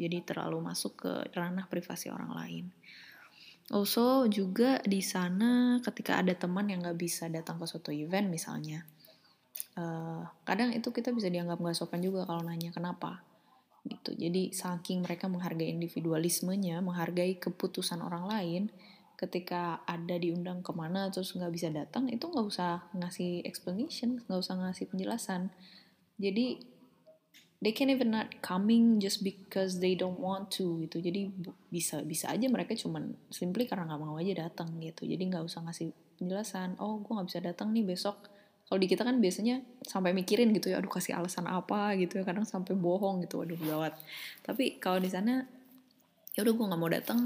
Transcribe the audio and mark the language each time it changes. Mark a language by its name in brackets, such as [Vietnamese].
[Indonesian] Jadi terlalu masuk ke ranah privasi orang lain. Also, juga di sana ketika ada teman yang gak bisa datang ke suatu event misalnya, kadang itu kita bisa dianggap gak sopan juga kalau nanya kenapa. Gitu. Jadi saking mereka menghargai individualismenya, menghargai keputusan orang lain, ketika ada diundang kemana terus gak bisa datang, itu gak usah ngasih explanation, gak usah ngasih penjelasan. [English] Jadi, they can even not coming just because they don't want to gitu. [Indonesian] Jadi bisa aja mereka cuman simply karena nggak mau aja datang gitu. Jadi nggak usah ngasih penjelasan. Oh, gue nggak bisa datang nih besok. Kalau di kita kan biasanya sampai mikirin gitu ya. Aduh, kasih alasan apa gitu ya. Kadang sampai bohong gitu. Aduh, gawat. Tapi kalau di sana, ya udah gue nggak mau datang.